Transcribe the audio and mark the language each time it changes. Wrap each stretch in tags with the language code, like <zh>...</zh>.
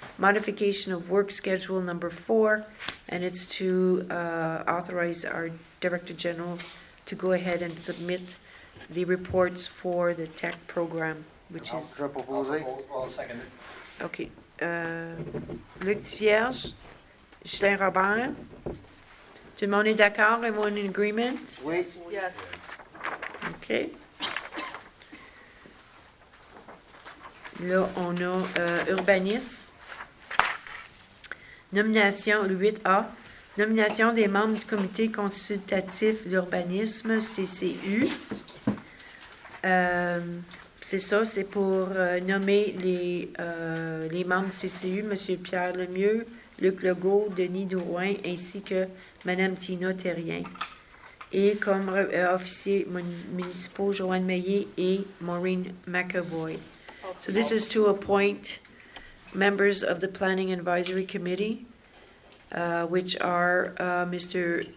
<en>Modification of work schedule number 4, and it's to authorize our Director General to go ahead and submit the reports for the TEC program, which is... I'll second it. Okay.</en> <fr>Luc Thivierge, Ghislain Robert, tout le monde est d'accord?</fr> <en>Everyone in agreement?</en> <fr>Oui.</fr> <en>Yes. Okay.</en> <fr>Là, on a Urbanis. Nomination, le 8A. Nomination des membres du comité consultatif d'urbanisme, CCU. C'est ça, c'est pour nommer les membres du CCU, M. Pierre Lemieux, Luc Legault, Denis Drouin, ainsi que Mme Tina Thérien. Et comme officiers municipaux, Joanne Meillet et Maureen McAvoy.</fr> <en>So this is to appoint members of the Planning Advisory Committee, which are Mr.</en>